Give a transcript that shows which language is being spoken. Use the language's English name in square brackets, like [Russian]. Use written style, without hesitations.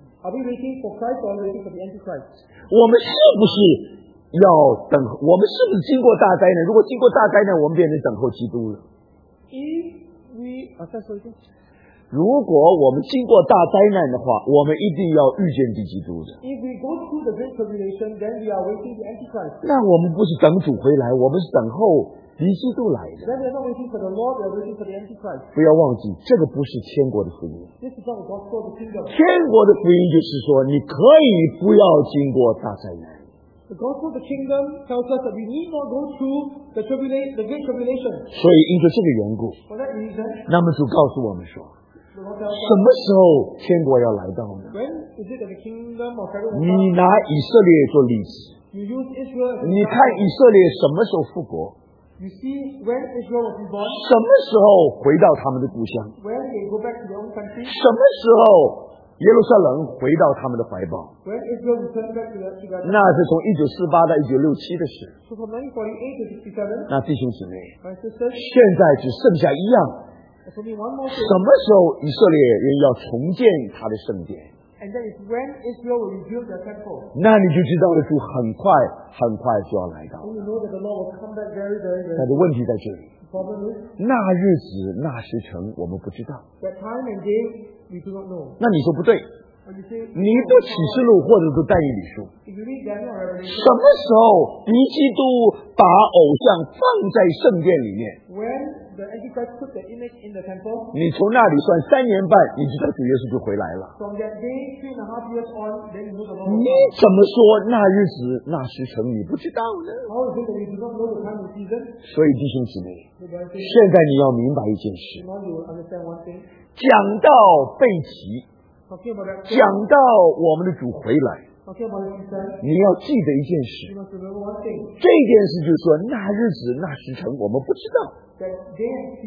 [Chinese] 我们是不是要等？我们是不是经过大灾难？如果经过大灾难，我们便能等候基督了。如果我们经过大灾难的话，我们一定要遇见敌基督的。 [English] If we go through the great tribulation, then we are waiting the Antichrist. [Chinese] 那我们不是等主回来，我们是等候敌基督来的。 [English] Then we are not waiting for the Lord, we are waiting for the Antichrist. [Chinese] 不要忘记，这个不是天国的福音。 [English] This is not the gospel of the kingdom. [Chinese] 天国的福音就是说，你可以不要经过大灾难。 [English] The gospel of the kingdom tells us that we need not go through the tribulation, the great tribulation. [Chinese] 所以因着这个缘故， [English] for that reason, [Chinese] 那么主告诉我们说，什么时候天国要来到呢？ [English] When is it the kingdom of heaven? [Chinese] 你拿以色列做例子， [English] you use Israel as a [Chinese] 你看以色列什么时候复国， [English] you see when Israel was born? [Chinese] 什么时候回到他们的故乡， [English] when they go back to their own country? [Chinese] 什么时候耶路撒冷回到他们的怀抱， [English] when Israel returned back to their [Chinese] country? 那是从1948到1967的事。 [English] So from 1948 to 1967, [Chinese] 那弟兄姊妹， [English] my sister, [Chinese] 现在只剩下一样，什么时候以色列人要重建他的圣殿？ [English] And that is when Israel will rebuild their temple. [Chinese] 那你就知道了，主很快很快就要来到。 [English] You know that the Lord will come back very, very, very. [Chinese] 但是问题在这里。 [English] Problem is, [Chinese] 那日子那时辰我们不知道。 [English] That time and day we do not know. [Chinese] 那你说不对。你读启示录或者读但以理书，什么时候敌基督把偶像放在圣殿里面？ [English] When the Antichrist put the image in the temple, [Chinese] 你从那里算三年半，你知道主耶稣就回来了。 [English] From that day, three and a half years on, then you know the Lord. [Chinese] 你怎么说那日子那时辰你不知道呢？ [English] How is it that you do not know the time and season? [Chinese] 所以弟兄姊妹，现在你要明白一件事。 [English] Now you will understand one thing. [Chinese] 讲到背起，讲到我们的主回来，你要记得一件事，这件事就是说那日子那时辰我们不知道。